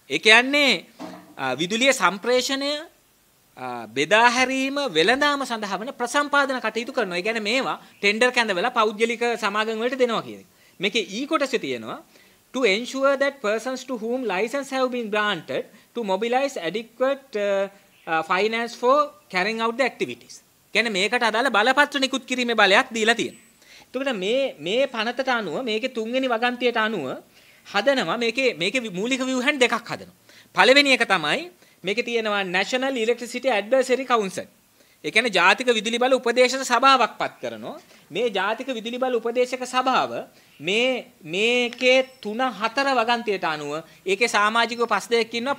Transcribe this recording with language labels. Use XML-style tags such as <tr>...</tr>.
<si>ඒ කියන්නේ විදුලිය සම්ප්‍රේෂණය, බෙදා හැරීම, වෙළඳාම සඳහා වෙන ප්‍රසම්පාදන කටයුතු කරනවා. ඒ කියන්නේ මේවා tender කැඳවලා පෞද්ගලික සමාගම් වලට දෙනවා කියන එක. මේකේ ඊ කොටසේ තියෙනවා</si> <en>to ensure that persons to whom license have been granted to mobilize adequate finance for carrying out the activities.</en> <si>කියන්නේ මේකට අදාළ බලපත්‍ර නිකුත් කිරීමේ බලයක් දීලා තියෙනවා. එතකොට මේ පනතට අනුව, මේකේ තුන්වෙනි වගන්තියට අනුව හදනවා මේකේ මූලික ව්‍යුහයන් දෙකක් හදනවා. පළවෙනි එක තමයි මේකේ තියෙනවා National Electricity Advisory Council. ඒ කියන්නේ ජාතික විදුලි බල උපදේශක සභාවක් පත් කරනවා. මේ ජාතික විදුලි බල උපදේශක සභාව මේකේ 3-4 වගන්තියට අනුව ඒකේ සමාජිකව 5 දෙනෙක් ඉන්නවා.</si>